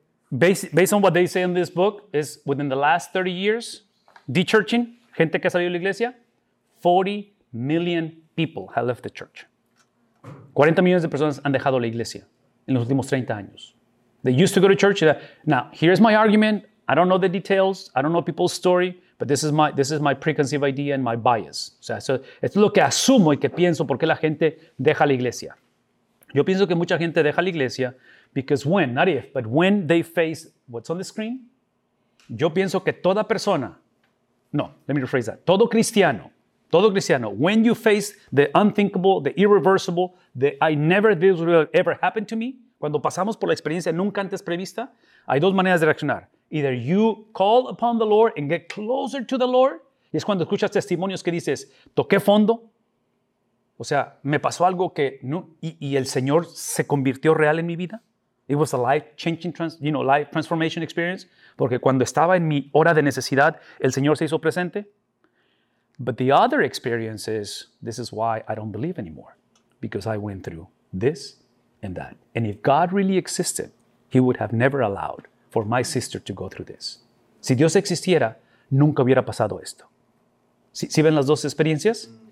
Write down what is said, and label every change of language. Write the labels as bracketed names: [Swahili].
[English] Based on what they say in this book, is within the last 30 years, de-churching, [Spanish] gente que ha salido de la iglesia, [English] 40 million people have left the church. [Spanish] 40 millones de personas han dejado la iglesia en los últimos 30 años. [English] They used to go to church. Now, here's my argument. I don't know the details. I don't know people's story. But this is my preconceived idea and my bias. [Spanish] O sea, so, esto es lo que asumo y que pienso por qué la gente deja la iglesia. Yo pienso que mucha gente deja la iglesia [English] because when, not if, but when they face what's on the screen, [Spanish] yo pienso que toda persona, no, [English] let me rephrase that, [Spanish] todo cristiano, [English] when you face the unthinkable, the irreversible, the I never this will ever happen to me, [Spanish] cuando pasamos por la experiencia nunca antes prevista, hay dos maneras de reaccionar. [English] Either you call upon the Lord and get closer to the Lord, [Spanish] y es cuando escuchas testimonios que dices, toqué fondo, o sea, me pasó algo que, no, y el Señor se convirtió real en mi vida. [English] It was a life-changing, life transformation experience. [Spanish] Porque cuando estaba en mi hora de necesidad, el Señor se hizo presente. [English] But the other experience is, this is why I don't believe anymore. Because I went through this and that. And if God really existed, He would have never allowed for my sister to go through this. [Spanish] Si Dios existiera, nunca hubiera pasado esto. ¿Sí ven las dos experiencias?